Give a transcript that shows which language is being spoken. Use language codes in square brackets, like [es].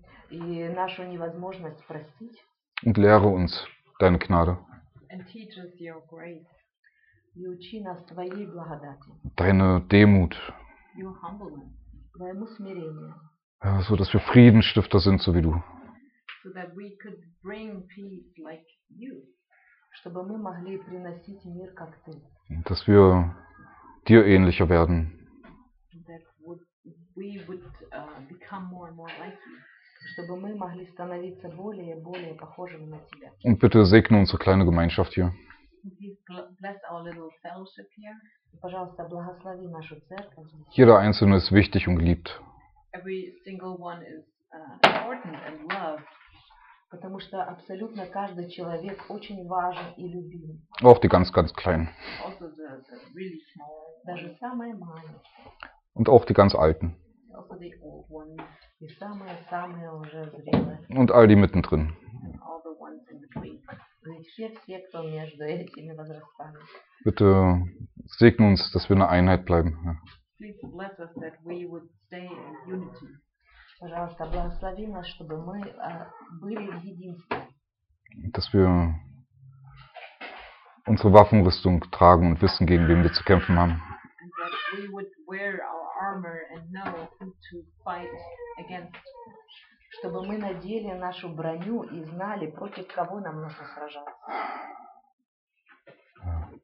[ru] И нашу невозможность простить. [de] Und lehre uns deine Gnade. [en] And teach us your grace. [ru] И учи нас твоей благодати. [de] Deine Demut. [en] Your humbleness. [ru] Твоему смирению. [de] So dass wir Friedensstifter sind, so wie du. [en] So that we could bring peace like you. [ru] Чтобы мы могли приносить мир, как ты. [de] Dass wir dir ähnlicher werden. [en] That we would become more and more like you. [ru] Чтобы мы могли становиться более и более похожими на тебя. [de] Und bitte segne unsere kleine Gemeinschaft hier. [en] Please bless our little fellowship here. [ru] И, пожалуйста, благослови нашу церковь. [de] Jeder Einzelne ist wichtig und geliebt. [en] Every single one is important and loved. [ru] Потому что абсолютно каждый человек очень важен и любим. [de] Auch die ganz, ganz Kleinen. [en] Also the really small ones. [ru] Даже самые маленькие. [de] Und auch die ganz Alten. [en] Also the old ones. [ru] И самые-самые уже зрелые. [de] Und all die mittendrin. [en] And all the ones in between. [ru] И все, кто между этими возрастами. [de] Bitte segne uns, dass wir eine Einheit bleiben. Ja. [en] Please bless us that we would stay in unity. [ru] Пожалуйста, благослови нас, чтобы мы были в единстве. [de] Dass wir unsere Waffenrüstung tragen und wissen, gegen wen wir zu kämpfen haben. [en] And that we would wear our armor and know who to fight against. [ru] Чтобы мы надели нашу броню и знали, против кого нам нужно сражаться.